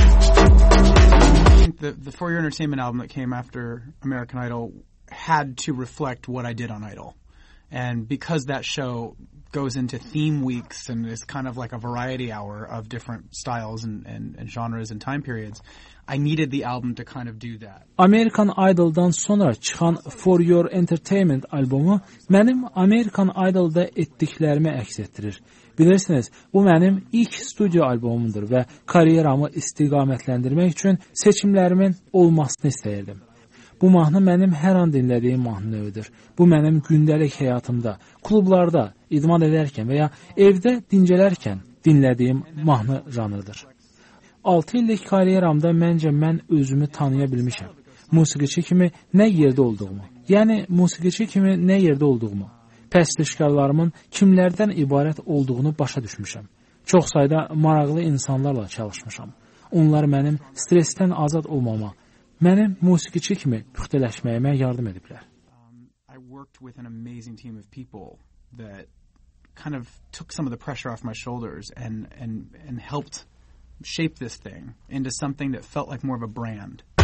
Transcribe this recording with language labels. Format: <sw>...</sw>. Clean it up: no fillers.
<en>Entertainment album that came after American Idol had to reflect what I did on Idol. And because that show goes into theme weeks and is kind of like a variety hour of different styles and genres and time periods, I needed the album to kind of do that.</en> <az>American Idol'dan sonra çıxan For Your Entertainment albumu mənim American Idol'da etdiklərimi əks etdirir. Bilirsiniz, bu mənim ilk studio albomumdur və kariyeramı istiqamətləndirmək üçün seçimlərimin olmasını istəyirdim. Bu mahnı mənim hər an dinlədiyim mahnı növüdür. Bu mənim gündəlik həyatımda, klublarda idman edərkən və ya evdə dincələrkən dinlədiyim mahnı janrıdır. 6 illik kariyeramda məncə mən özümü tanıya bilmişəm. Musiqiçi kimi nə yerdə olduğumu, yəni musiqiçi kimi nə yerdə olduğumu, pəstişkarlarımın kimlərdən ibarət olduğunu başa düşmüşəm. Çox sayda maraqlı insanlarla çalışmışam. Onlar mənim stresdən azad olmama, mənim musiqiçi kimi püxtələşməyimə yardım ediblər.</az> <en>I worked with an amazing team of people that kind of took some of the pressure off my shoulders and helped shape this thing into something that felt like more of a brand.</en>